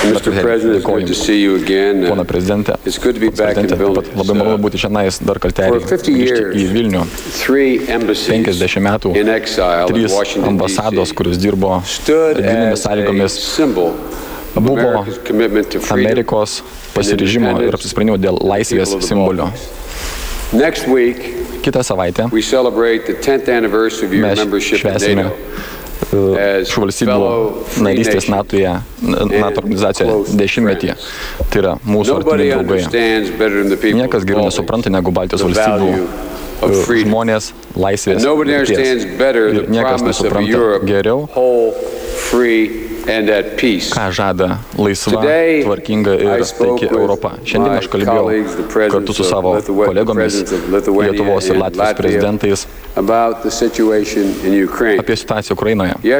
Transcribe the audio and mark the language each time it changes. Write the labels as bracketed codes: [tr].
[lt] Dėkoju. Pone prezidente, labai malonu būti šiandien dar kartelį grįžti į Vilnių. 50 metų, 3 ambasados, kurios dirbo vidinėmis sąlygomis, buvo Amerikos pasiryžimo ir apsisprendimo dėl laisvės simbolio. [en] Next week, [lt] kitą savaitę [en] we celebrate the 10th anniversary of your membership in [lt] šių valstybių narystės NATO-je, NATO organizacijoje dešimtmetyje. Tai yra mūsų artimi draugai. Niekas geriau nesupranta negu Baltijos valstybių žmonės laisvės. [en] Nobody understands better the promise of Europe, whole, free, [lt] ką žada laisva, tvarkinga ir taiki Europa. Šiandien aš kalbėjau kartu su savo kolegomis, Lietuvos ir Latvijos prezidentais, apie situaciją Ukrainoje.